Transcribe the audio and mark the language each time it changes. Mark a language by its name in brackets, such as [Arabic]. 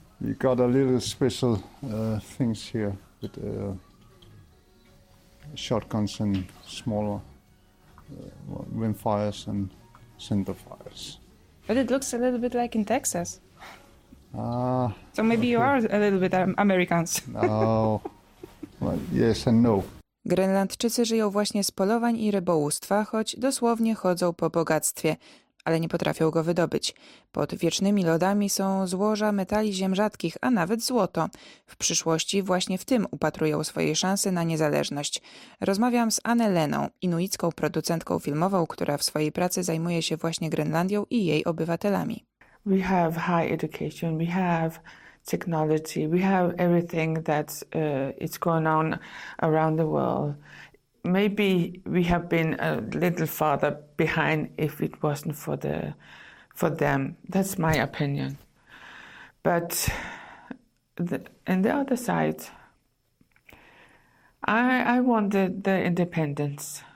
[English] You got a little special things here with shotguns and smaller wind fires and cinder fires. But it looks a little bit like in Texas. Ah. So maybe okay. You are a little bit Americans. No. Well, yes and no. [Polish] Grenlandczycy żyją właśnie z polowań i rybołówstwa, choć dosłownie chodzą po bogactwie, ale nie potrafią go wydobyć. Pod wiecznymi lodami są złoża metali ziem rzadkich, a nawet złoto. W przyszłości właśnie w tym upatrują swoje szanse na niezależność. Rozmawiam z Anne Leną, inuicką producentką filmową, która w swojej pracy zajmuje się właśnie Grenlandią i jej obywatelami. [English] We have high education, we have technology, we have everything that is going on around the world. Maybe we have been a little farther behind if it wasn't for them. That's my opinion. But on the other side, I wanted the independence.